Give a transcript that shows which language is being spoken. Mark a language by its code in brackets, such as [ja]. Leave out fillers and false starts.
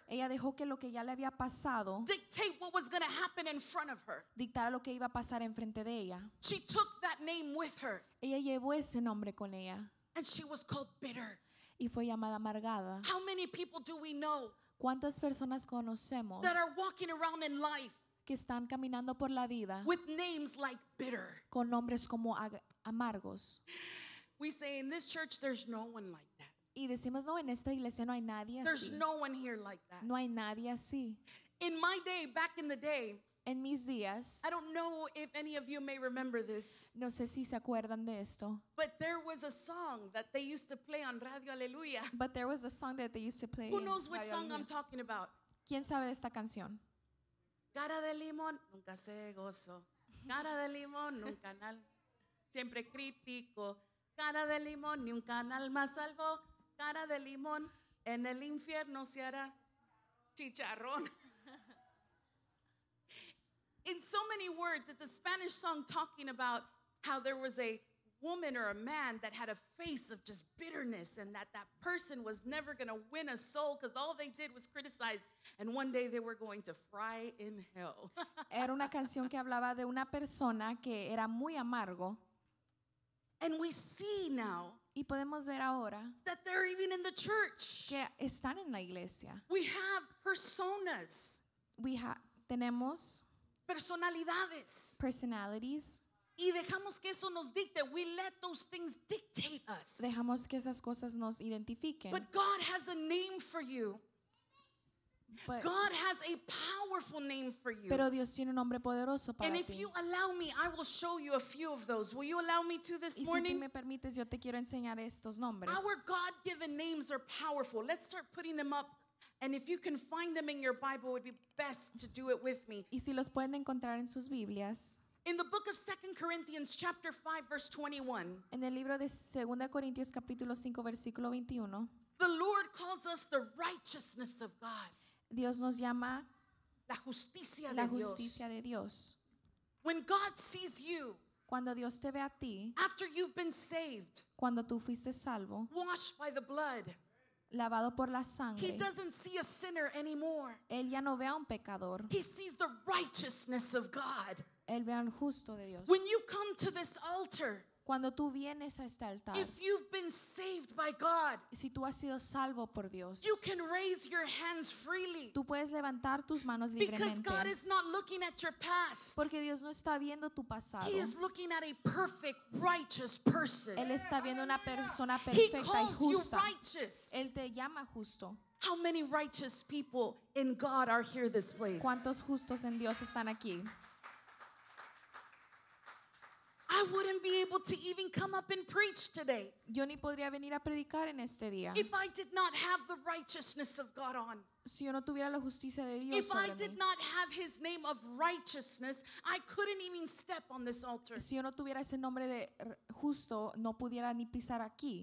[es] Ella dejó que lo que ya le había pasado [en] dictate what was going to happen in front of her. [es] Dictara lo que iba a pasar enfrente de ella. [en] She took that name with her. [es] Ella llevó ese nombre con ella. [en] And she was called bitter. [es] Y fue llamada amargada. [en] How many people do we know? [es] ¿Cuántas personas conocemos [en] that are walking around in life? [es] Que están caminando por la vida [en] with names like bitter. [es] Con nombres como amargos. [en] We say in this church there's no one like that. [es] Y decimos no, en esta iglesia no hay nadie así. [en] There's no one here like that. [es] No hay nadie así. [en] In my day, back in the day, [es] en mis días, [en] I don't know if any of you may remember this. [es] No sé si se acuerdan de esto. [en] But there was a song that they used to play on Radio Aleluya. But there was a song that they used to play. Who knows which song I'm talking about? [es] ¿Quién sabe de esta canción? Cara de limón, nunca se gozo. Cara de limón, nunca nal. Siempre critico. Cara de limón, ni un canal más salvo. Cara de limón, en el infierno se hará chicharrón. [en] In so many words, it's a Spanish song talking about how there was a woman or a man that had a face of just bitterness and that person was never going to win a soul because all they did was criticize and one day they were going to fry in hell. [es] Era una canción que hablaba de una persona que era muy amargo. [en] And we see now [es] y podemos ver ahora [en] that they're even in the church. [es] Que están en la iglesia. [en] We have personas. [es] Tenemos personalidades. [en] Personalities. [es] Y dejamos que eso nos dicte. [en] We let those things dictate us. [es] Dejamos que esas cosas nos identifiquen. [en] But God has a name for you. But God has a powerful name for you. [es] Pero Dios tiene un nombre poderoso para [en] ti. And if you allow me, I will show you a few of those. Will you allow me to this morning? [es] Y si me permites, yo te quiero enseñar estos nombres. [en] Our God-given names are powerful. Let's start putting them up. And if you can find them in your Bible, it would be best to do it with me. [es] Y si los pueden encontrar en sus Biblias. [en] In the book of 2 Corinthians, chapter 5, verse 21. [es] En el libro de 2 Corintios, capítulo 5, versículo 21. [en] The Lord calls us the righteousness of God. [es] Dios nos llama la justicia, la justicia de Dios. [en] When God sees you, [es] cuando Dios te ve a ti, [en] after you've been saved, [es] cuando tú fuiste salvo, [en] washed by the blood, [es] lavado por la sangre, [en] he doesn't see a sinner anymore. [es] Él ya no ve a un pecador. [en] He sees the righteousness of God. [es] Él ve al justo de Dios. [en] When you come to this altar, [es] cuando tú vienes a este altar, [en] if you've been saved by God, [es] si tú has sido salvo por Dios, [en] you can raise your hands freely. [es] Tú puedes levantar tus manos libremente. [en] Because God is not looking at your past. [es] Porque Dios no está viendo tu pasado. [en] He is looking at a perfect, righteous person. [es] Él está viendo una persona perfecta y justa. [en] He calls you righteous. [es] Él te llama justo. [en] How many righteous people in God are here this place? [es] ¿Cuántos justos en Dios están aquí? [en] I wouldn't be able to even come up and preach today. [es] Yo ni podría venir a predicar en este día. [en] If I did not have the righteousness of God on. [es] Si yo no tuviera la justicia de Dios [en] if [es] sobre [en] I did [es] mí. [en] Not have his name of righteousness, I couldn't even step on this altar. [es] Si yo no tuviera ese nombre de justo, no pudiera ni pisar aquí.